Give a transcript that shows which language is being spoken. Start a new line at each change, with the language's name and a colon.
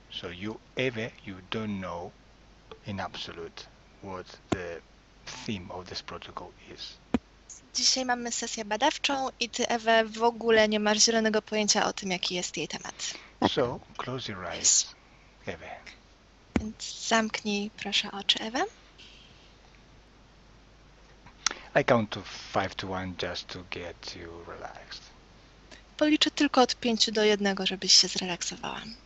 English: So, you, Eve, you don't know in absolute what the theme of this protocol is.
Polish: Dzisiaj mamy sesję badawczą i ty, Ewe, w ogóle nie masz zielonego pojęcia o tym, jaki jest jej temat.
English: So, close your eyes, Yes. Eve.
Polish: Więc zamknij proszę oczy, Ewe.
English: I count to 5 to 1 just to get you relaxed.
Polish: Policzę tylko od 5 do 1, żebyś się zrelaksowała.